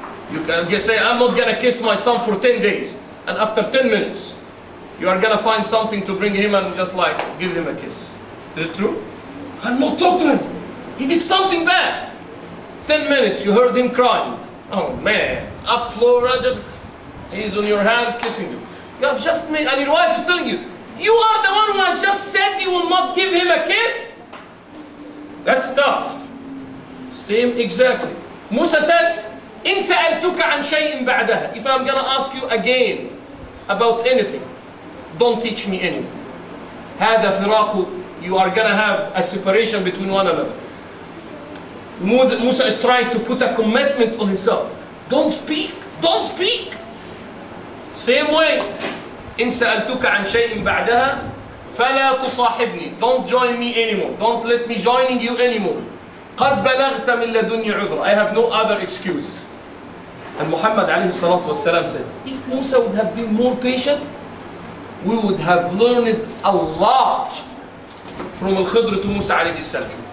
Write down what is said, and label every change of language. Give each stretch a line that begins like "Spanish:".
English: You say, I'm not gonna kiss my son for 10 days, and after 10 minutes, you are gonna find something to bring him and just like give him a kiss. Is it true? I'm not talking to him. He did something bad. 10 minutes, you heard him crying. Oh man, up floor, just, he's on your hand, kissing you. You have just made, and your wife is telling you, you are the one who has just said you will not give him a kiss? That's tough. Same exactly. Musa said,
Arabic: إِن سَأَلْتُكَ عَنْ شَيْءٍ بَعْدَهَا.
English: If I'm gonna ask you again about anything, don't teach me anymore.
Arabic: هَذَا فِرَاقُ.
English: You are gonna have a separation between one another. Musa is trying to put a commitment on himself. Don't speak, don't speak. Same way,
Arabic: إِن سَأَلْتُكَ عَنْ شَيْءٍ بَعْدَهَا فَلَا تُصَاحِبْنِي.
English: Don't join me anymore. Don't let me joining you anymore.
Arabic: قَدْ بَلَغْتَ مِنْ لَدُنِّي عُذْرًا.
English: I have no other excuses. And Muhammad alayhi salatu wasalam said, if Musa would have been more patient, we would have learned a lot from Al-Khidr to Musa alayhi salam.